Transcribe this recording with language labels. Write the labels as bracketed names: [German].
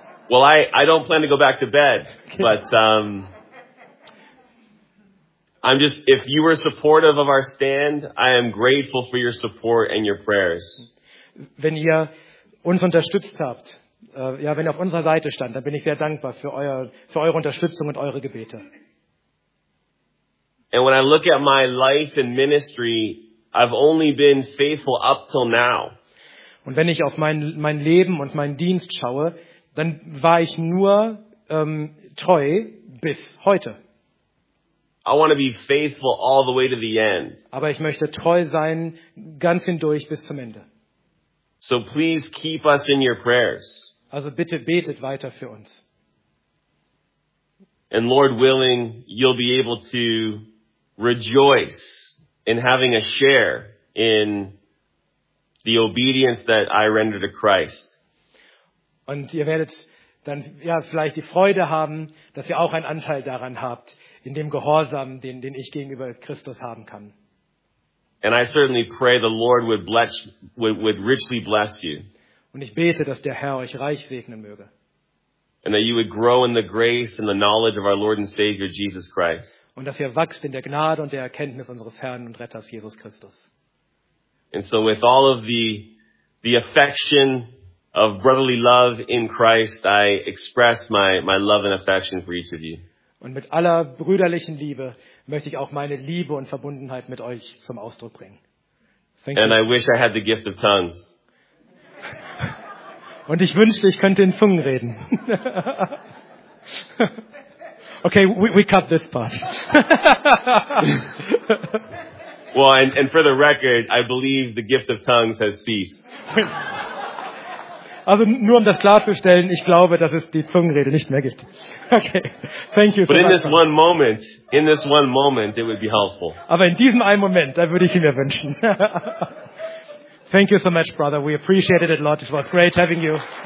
[English] Well, I don't plan to go back to bed, but I'm just, if you were supportive of our stand, I am grateful for your support and your prayers. [German] Wenn ihr uns unterstützt habt, ja, wenn ihr auf unserer Seite stand, dann bin ich sehr dankbar für eure Unterstützung und eure Gebete. [English] And when I look at my life and ministry, I've only been faithful up till now. [German] Und wenn ich auf mein Leben und meinen Dienst schaue, dann war ich nur treu bis heute. [English] I want to be faithful all the way to the end. [German] Aber ich möchte treu sein ganz hindurch bis zum Ende. [English] So please keep us in your prayers. [German] Also bitte betet weiter für uns. [English] And Lord willing, you'll be able to rejoice in having a share in the obedience that I render to Christ. [German] Und ihr werdet dann ja vielleicht die Freude haben, dass ihr auch einen Anteil daran habt, in dem Gehorsam, den ich gegenüber Christus haben kann. [English] And I certainly pray the Lord would richly bless you. [German] Und ich bete, dass der Herr euch reich segnen möge. [English] And that you would grow in the grace and the knowledge of our Lord and Savior Jesus Christ. [German] Und dass ihr wächst in der Gnade und der Erkenntnis unseres Herrn und Retters Jesus Christus. [English] And so with all of the affection of brotherly love in Christ, I express my love and affection for each of you. [German] Und mit aller brüderlichen Liebe möchte ich auch meine Liebe und Verbundenheit mit euch zum Ausdruck bringen. [English] And I wish I had the gift of tongues. [German] Und ich wünschte, ich könnte in Zungen reden. [English] Okay, we cut this part. Well, and for the record, I believe the gift of tongues has ceased. [German] Also nur um das klarzustellen, ich glaube, dass es die Zungenrede nicht mehr gibt. [English] Okay, thank you. But in this one moment, it would be helpful. [German] Aber in diesem einen Moment, da würde ich ihn mir wünschen. [English] Thank you so much, brother. We appreciated it a lot. It was great having you.